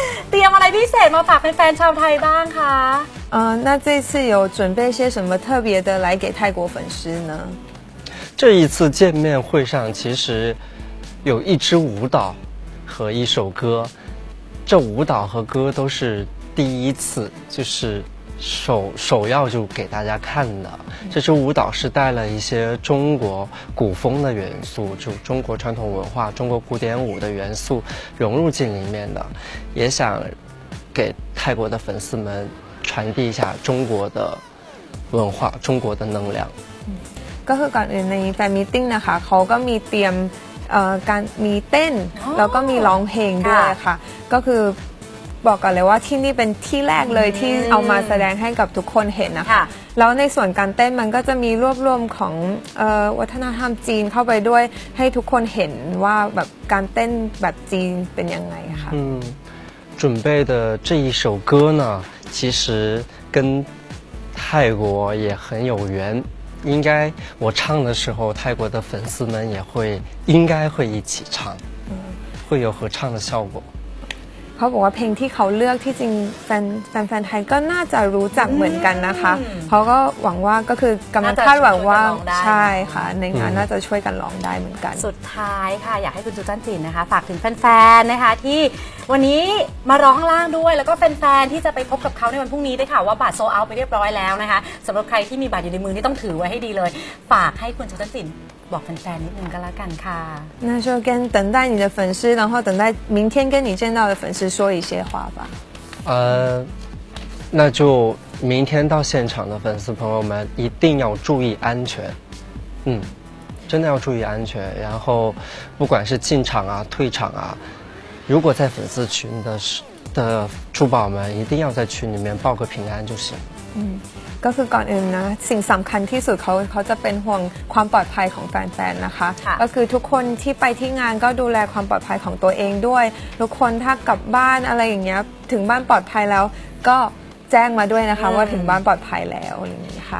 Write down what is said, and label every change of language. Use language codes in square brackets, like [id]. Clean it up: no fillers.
[th] เตรียมอะไรพิเศษมาฝากแฟนๆชาวไทยบ้างคะ [zh] 那这次有准备些什么特别的来给泰国粉丝呢这一次见面会上其实有一支舞蹈和一首歌这舞蹈和歌都是第一次就是首要就给大家看的这支舞蹈是带了一些中国古风的元素就中国传统文化中国古典舞的元素融入进里面的也想给泰国的粉丝们传递一下中国的文化中国的能量 [th] ก็คือก่อนอื่นในแฟนมีติ้งนะคะเขาก็มีเตรียมการมีเต้นแล้วก็มีร้องเพลงด้วยค่ะก็คือบอกกันเลยว่าที่นี่เป็นที่แรกเลยที่เอามาแสดงให้กับทุกคนเห็นนะคะแล้วในส่วนการเต้นมันก็จะมีรวบรวมของวัฒนธรรมจีนเข้าไปด้วยให้ทุกคนเห็นว่าแบบการเต้นแบบจีนเป็นยังไงค่ะ [zh] 准备的这一首歌呢其实跟泰国也很有缘应该我唱的时候泰国的粉丝们也会应该会一起唱会有合唱的效果 [th] เขาบอกว่าเพลงที่เขาเลือกที่จริงแฟนไทยก็น่าจะรู้จักเหมือนกันนะคะเขาก็หวังว่าก็คือกำลังคาดหวังว่าใช่ค่ะในงานน่าจะช่วยกันร้องได้เหมือนกัน สุดท้ายค่ะอยากให้คุณจูจันจินนะคะฝากถึงแฟนๆนะคะที่วันนี้มาร้องล่างด้วยแล้วก็แฟนๆที่จะไปพบกับเขาในวันพรุ่งนี้ได้ค่ะว่าบัตรโซเอาไปเรียบร้อยแล้วนะคะสำหรับใครที่มีบัตรอยู่ในมือนี่ต้องถือไว้ให้ดีเลยฝากให้คุณจูจันจินบอกแฟนๆนิดนึงก็แล้วกันค่ะ [zh] 那就跟等待你的粉丝然后等待明天跟你见到的粉丝说一些话吧那就明天到现场的粉丝朋友们一定要注意安全真的要注意安全然后不管是进场啊退场啊如果在粉丝群的珠宝们一定要在群里面报个平安就行 [th] ก็คือก่อนอื่นนะสิ่งสำคัญที่สุดเขาจะเป็นห่วงความปลอดภัยของแฟนๆนะคะก็คือทุกคนที่ไปที่งานก็ดูแลความปลอดภัยของตัวเองด้วยทุกคนถ้ากลับบ้านอะไรอย่างเงี้ยถึงบ้านปลอดภัยแล้วก็แจ้งมาด้วยนะคะว่าถึงบ้านปลอดภัยแล้วอย่างเงี้ยค่ะ